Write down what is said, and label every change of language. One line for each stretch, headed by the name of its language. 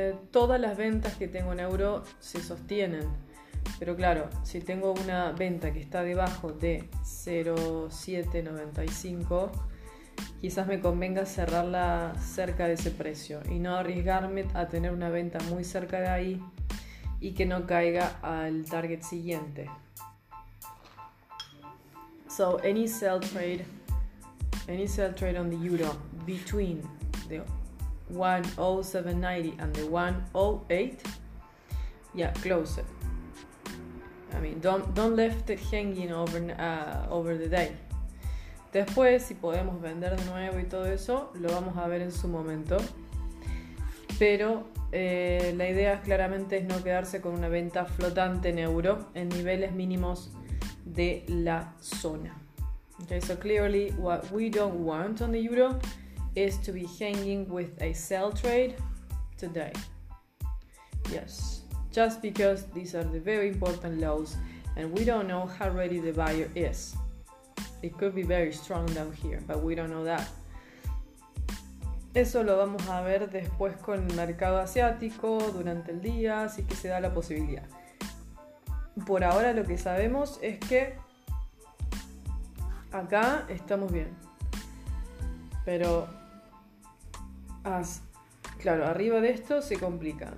Spanish: Todas las ventas que tengo en euro se sostienen. Pero claro, si tengo una venta que está debajo de 0.795, quizás me convenga cerrarla cerca de ese precio y no arriesgarme a tener una venta muy cerca de ahí y que no caiga al target siguiente.
English: So, any sell trade on the euro between the 107.90 and the 108, yeah, close it. I mean, don't left it hanging over the day.
Spanish: Después, si podemos vender de nuevo y todo eso, lo vamos a ver en su momento. Pero la idea claramente es no quedarse con una venta flotante en euro en niveles mínimos de la zona.
English: Okay, so clearly what we don't want on the euro is to be hanging with a sell trade today. Yes, just because these are the very important lows and we don't know how ready the buyer is. It could be very strong down here, but we don't know that.
Spanish: Eso lo vamos a ver después con el mercado asiático, durante el día, si es que se da la posibilidad. Por ahora lo que sabemos es que acá estamos bien. Pero, claro, arriba de esto se complica.